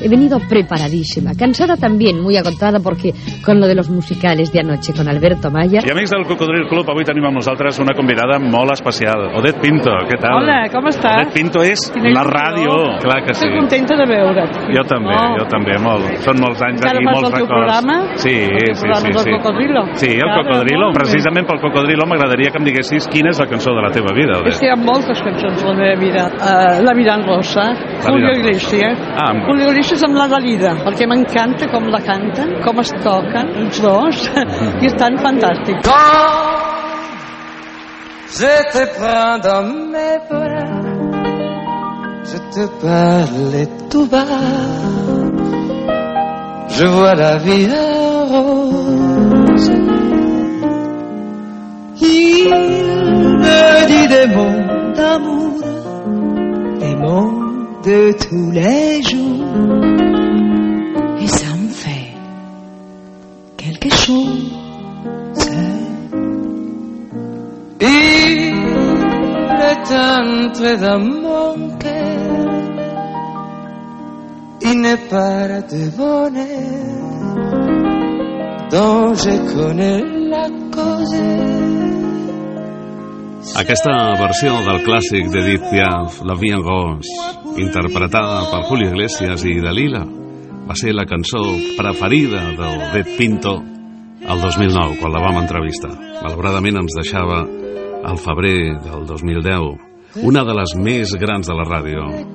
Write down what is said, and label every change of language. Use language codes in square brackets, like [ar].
[es] He venido preparadísima, cansada también, muy agotada, porque con lo de los musicales de anoche con Alberto Maya... [ca] I amics del Cocodril Club, avui tenim amb nosaltres una convidada molt especial. Odette Pinto, què tal? Hola, com estàs? Odette Pinto és la ràdio. Clar que sí. Estic contenta de veure't. Jo també, jo també, molt. Són molts anys aquí, molts records. Encara més el teu programa? Sí, sí, sí. El Cocodrilo. Sí, el Cocodrilo. Precisament pel Cocodrilo m'agradaria que em diguessis quina és la cançó de la teva vida, Odette. És que hi ha moltes cançons de la meva vida. La vida en rosa, Julio Iglesias. Julio Iglesias amb la Dalida, perquè m'encanta com la canten, com es toquen els dos, i estan fantàstics. [fr] Quand je te prends dans mes bras, je te parle tout bas, je vois la vie en rose, il me dit des mots d'amour, de tous les jours, et ça me fait quelque chose. Il est entré dans mon cœur, il n'est pas de bonheur, dont je connais la cause. [ca] Aquesta versió del clàssic d'Edith Piaf, La Vie en Rose, interpretada per Julio Iglesias i Dalila, va ser la cançó preferida d'Odette Pinto el 2009, quan la vam entrevistar. Malauradament ens deixava el febrer del 2010, una de les més grans de la ràdio.